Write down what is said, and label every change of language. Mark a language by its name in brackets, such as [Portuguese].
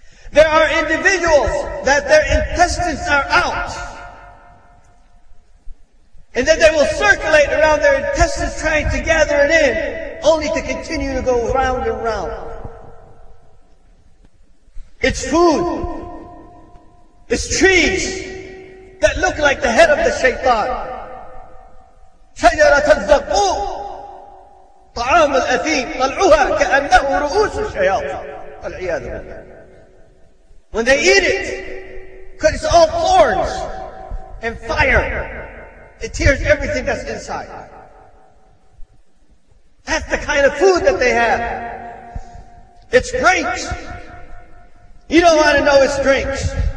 [English] There are individuals that their intestines are out, and then they will circulate around their intestines trying to gather it in, only to continue to go round and round. It's food. It's trees that look like the head of the shaitan. [Arabic] شجرة الزقوم طعام الأثيم طلعوها كأنه رؤوس الشياطين والعياذ بالله. [English] When they eat it, because it's all thorns and fire, it tears everything that's inside. That's the kind of food that they have. It's drinks. You don't want to know it's drinks.